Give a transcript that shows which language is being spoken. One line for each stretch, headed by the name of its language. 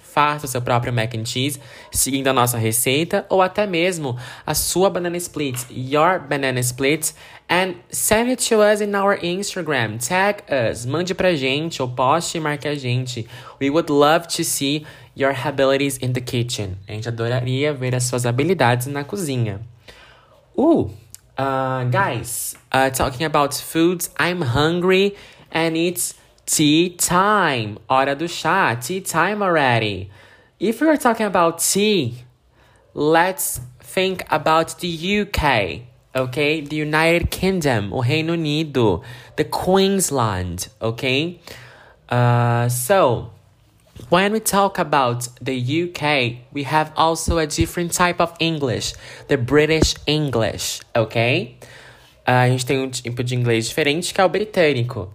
Portuguese: Faça o seu próprio mac and cheese seguindo a nossa receita ou até mesmo a sua banana split,
English: your banana split, and send it to us in our Instagram.
Portuguese: Tag us, mande pra gente ou poste e marque a gente.
English: We would love to see your abilities in the kitchen.
Portuguese: A gente adoraria ver as suas habilidades na cozinha.
English: Guys, talking about foods, I'm hungry. And it's tea time, hora do chá, tea time already. If we're talking about tea, let's think about the UK, okay? The United Kingdom, o Reino Unido, the Queensland, okay? So, when we talk about the UK, we have also a different type of English, the British English, okay?
Portuguese: A gente tem tipo de inglês diferente, que é o britânico.